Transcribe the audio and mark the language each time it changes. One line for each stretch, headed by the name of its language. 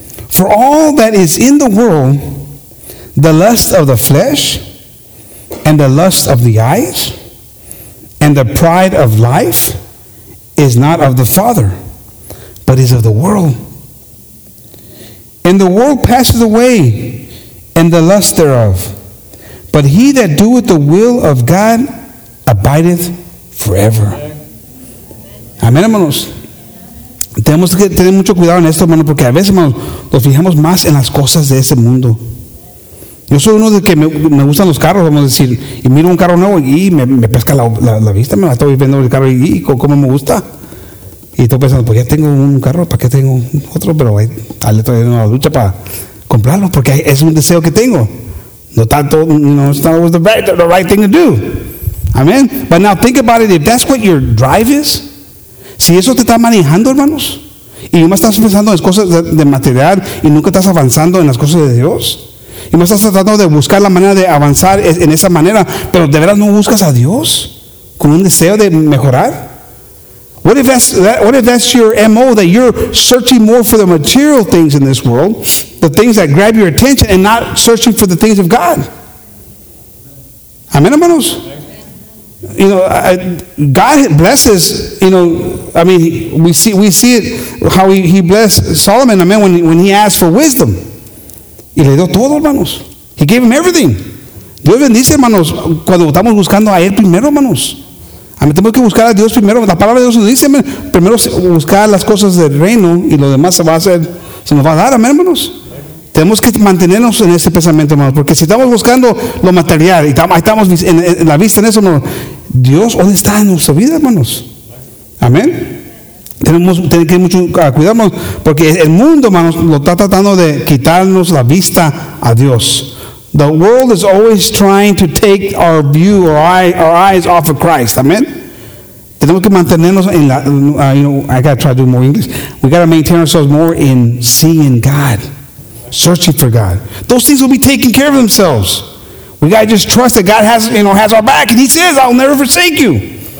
English: For all that is in the world, the lust of the flesh, and the lust of the eyes, and the pride of life, is not of the Father, but is of the world. And the world passes away, and the lust thereof. But he that doeth the will of God abideth forever.
Spanish: Amén, hermanos. Tenemos que tener mucho cuidado en esto, hermanos, porque a veces, hermanos, nos fijamos más en las cosas de ese mundo. Yo soy uno de que me gustan los carros, vamos a decir, y miro un carro nuevo y me pesca la vista, me estoy viendo el carro y cómo me gusta. Y estoy pensando, pues ya tengo un carro, ¿para qué tengo otro? Pero ahí estoy en una lucha para comprarlo, porque es un deseo que tengo.
English: No tanto, no, it's not always the right thing to do.
Spanish: Amen. But now think about it. If that's what your drive is, si eso te está manejando, hermanos, y más estás pensando en cosas de material y nunca estás avanzando en las cosas de Dios, y más estás tratando de buscar la manera de avanzar en esa manera, pero de verdad no buscas a Dios con un deseo de mejorar.
English: What if that's your MO, that you're searching more for the material things in this world, the things that grab your attention, and not searching for the things of God? Amen, hermanos. You know, God blesses, you know, I mean, we see it, how he blessed Solomon, amen, when he asked for wisdom.
Spanish: Y le dio todo, hermanos. He gave him everything. Dios bendice, hermanos, cuando estamos buscando a él primero, hermanos. Amén, tenemos que buscar a Dios primero. La palabra de Dios nos dice, amen, primero buscar las cosas del reino y lo demás se nos va a dar, amén, hermanos. Tenemos que mantenernos en ese pensamiento, hermanos, porque si estamos buscando lo material y estamos en la vista en eso, hermanos, Dios, ¿dónde está en nuestra vida, hermanos? Amén. Tenemos que tener mucho cuidado, porque el mundo, hermanos, lo está tratando de quitarnos la vista a Dios.
English: The world is always trying to take our view or our eyes off of Christ. Amen. Tenemos que mantenernos en la, you know, I got to try to do more English. We got to maintain ourselves more in seeing God, searching for God. Those things will be taking care of themselves. We got to just trust that God has our back, and he says, I'll never forsake you.